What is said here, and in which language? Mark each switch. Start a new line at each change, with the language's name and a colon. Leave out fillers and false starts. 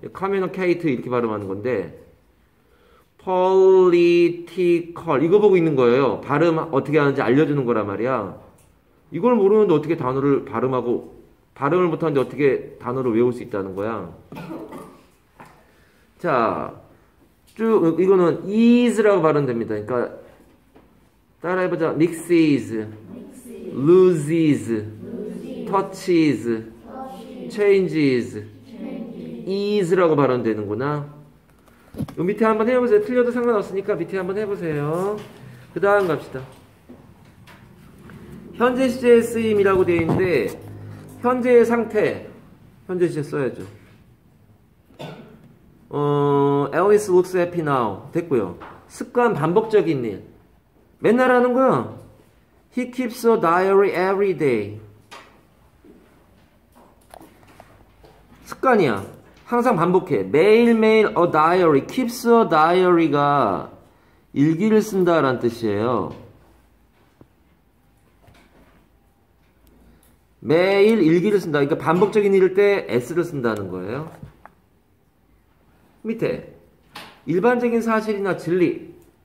Korean: 커뮤니케이트 이렇게 발음하는 건데 폴리티컬 이거 보고 있는 거예요. 발음 어떻게 하는지 알려주는 거란 말이야. 이걸 모르는데 어떻게 단어를 발음하고 발음을 못하는데 어떻게 단어를 외울 수 있다는 거야. 자, 쭉 이거는 is라고 발음됩니다. 그러니까 따라해보자.
English: mixes, loses, touches, changes, is라고 발음되는구나.
Korean: 요 밑에 한번 해보세요. 틀려도 상관없으니까 밑에 한번 해보세요. 그 다음 갑시다. 현재 시제의 쓰임이라고 되어 있는데 현재의 상태, 현재 시제 써야죠.
English: Alice looks happy now.
Korean: 됐고요. 습관 반복적인 일. 맨날 하는 거야.
English: He keeps a diary every day.
Korean: 습관이야. 항상 반복해. 매일매일 a diary.
English: keeps a diary
Korean: 가 일기를 쓴다라는 뜻이에요. 매일 일기를 쓴다. 그러니까 반복적인 일일 때 S를 쓴다는 거예요. 밑에 일반적인 사실이나 진리.